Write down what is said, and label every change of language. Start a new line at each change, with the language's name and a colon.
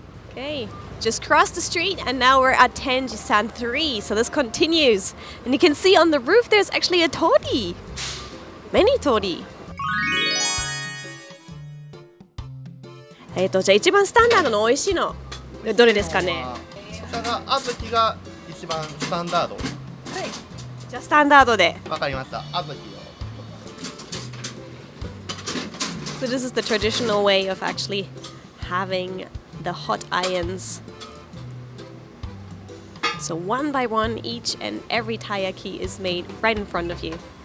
English: Okay, just crossed the street and now we're at Tenjisan 3, so this continues. And you can see on the roof there's actually a torii. Many torii.
Japanese: じゃあ一番スタンダードの美味しいのどれですかね。こちらが小豆が一番スタンダード。はい、じゃあスタンダードで。わかりました、小豆を。
English: So this is the traditional way of actually having the hot irons. So one by one, each and every taiyaki is made right in front of you.